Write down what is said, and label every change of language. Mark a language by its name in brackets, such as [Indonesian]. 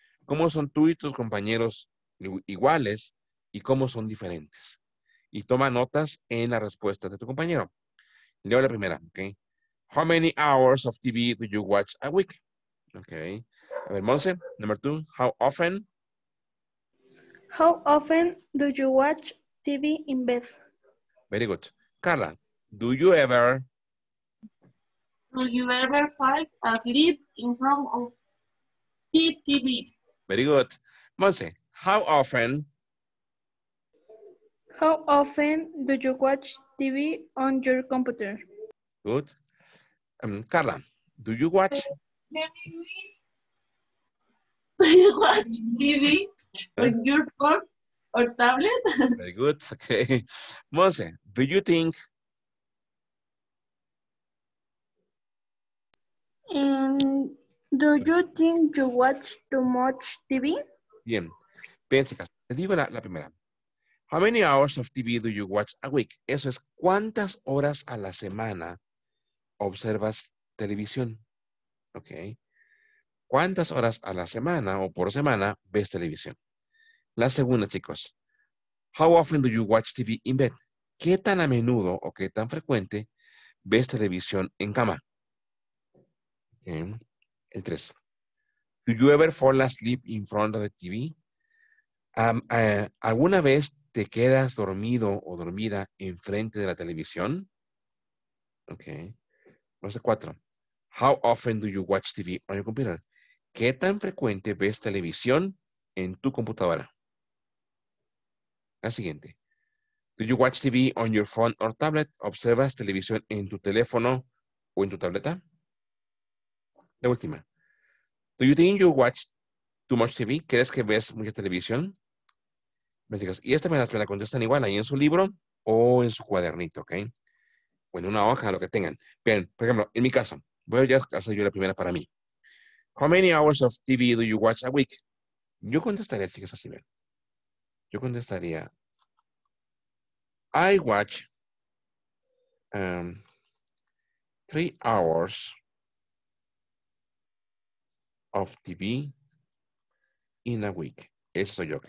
[Spanish] ¿Cómo son tú y tus compañeros iguales y cómo son diferentes? Y toma notas en la respuesta de tu compañero. Leo la primera, okay. [English] How many hours of TV do you watch a week? Okay. [Spanish] A ver, [English] Monse, number two, how often? How often do you watch TV in bed? Very good. Carla, do you ever? Do you ever fall asleep in front of TV? Very good. Monse, how often? How often do you watch TV on your computer? Good. Carla, do you watch? Do you watch TV on your phone or tablet? Very good. Okay. Monse, do you think? Do you think you watch too much TV? [Spanish] Bien. Piénsica. Te digo la primera. [English] How many hours of TV do you watch a week? [Spanish] Eso es, ¿cuántas horas a la semana observas televisión? ¿Ok? ¿Cuántas horas a la semana o por semana ves televisión? La segunda, chicos. [English] How often do you watch TV in bed? [Spanish] ¿Qué tan a menudo o qué tan frecuente ves televisión en cama? ¿Okay? El tres. [English] Do you ever fall asleep in front of the TV? [Spanish] ¿Alguna vez te quedas dormido o dormida enfrente de la televisión? ¿Ok? Número 4. [English] How often do you watch TV on your computer? [Spanish] ¿Qué tan frecuente ves televisión en tu computadora? La siguiente. [English] Do you watch TV on your phone or tablet? [Spanish] ¿Observas televisión en tu teléfono o en tu tableta? La última. [English] Do you think you watch too much TV? [Spanish] ¿Crees que ves mucha televisión? Me digas, y esta me la contestan igual ahí en su libro o en su cuadernito, ¿ok? Bueno, una hoja, lo que tengan. Bien, por ejemplo, en mi caso, voy a hacer yo la primera para mí. [English] How many hours of TV do you watch a week? [Spanish] Yo contestaría, chicas, así ven. Yo contestaría, [English] I watch 3 hours of TV in a week. [Spanish] Eso soy yo, ¿ok?